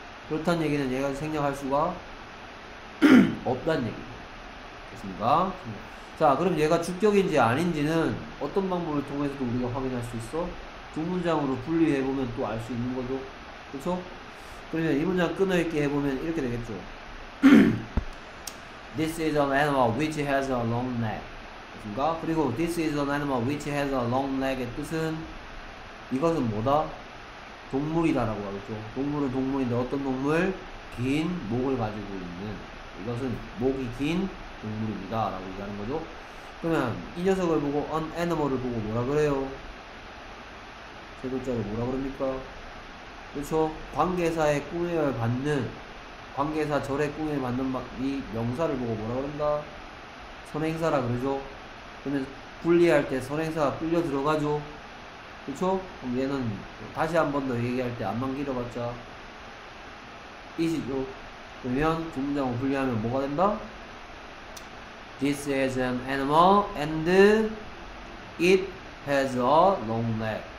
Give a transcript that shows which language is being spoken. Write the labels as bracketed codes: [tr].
[ko] 그렇다는 얘기는 얘가 생략할 수가 없다는 얘기죠. 됐습니까? 자, 그럼 얘가 주격인지 아닌지는 어떤 방법을 통해서도 우리가 확인할 수 있어? 두 문장으로 분리해보면 또 알 수 있는 거죠. 그쵸? 그러면 이 문장 끊어 읽기 해보면 이렇게 되겠죠. [en] This is an animal which has a long neck. [ko] 그니까 그리고 [en] this is an animal which has a long leg [ko] 의 뜻은 이것은 뭐다? 동물이다라고 하겠죠. 동물은 동물인데 어떤 동물? 긴 목을 가지고 있는 이것은 목이 긴 동물입니다라고 얘기하는 거죠. 그러면 이 녀석을 보고 [en] an animal [ko] 을 보고 뭐라 그래요? 제도자로 뭐라 그럽니까? 그렇죠. 관계사의 꾸며 받는 관계사 절의 꾸며 받는 이 명사를 보고 뭐라 그런다? 선행사라 그러죠. 그러면 분리할 때 선행사가 끌려 들어가죠. 그쵸? 그럼 얘는 다시 한 번 더 얘기할 때 앞만 길어봤자 이시죠. 그러면 두 문장으로 분리하면 뭐가 된다? [en] This is an animal and it has a long neck.